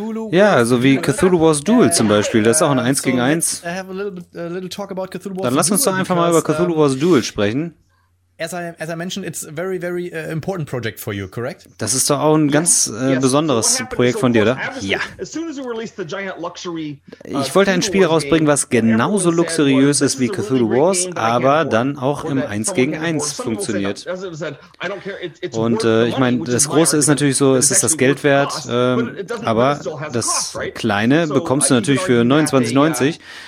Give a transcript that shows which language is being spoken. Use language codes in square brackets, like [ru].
[de] Ja, so wie Cthulhu Wars Duel zum Beispiel. Das ist auch ein 1 gegen 1. Dann lass uns doch einfach mal über Cthulhu Wars Duel sprechen. [en] As I mentioned, it's a very, very important project for you, correct? [de] Das ist doch auch ein ganz besonderes Projekt von dir, oder? Ja. [en] As soon as we released the giant luxury, [de] ich wollte ein Spiel rausbringen, was genauso luxuriös ist wie Cthulhu Wars, aber dann auch im 1 gegen 1 funktioniert. Und ich meine, das Große ist natürlich so, es ist das Geld wert, aber das Kleine bekommst du natürlich für 29,90.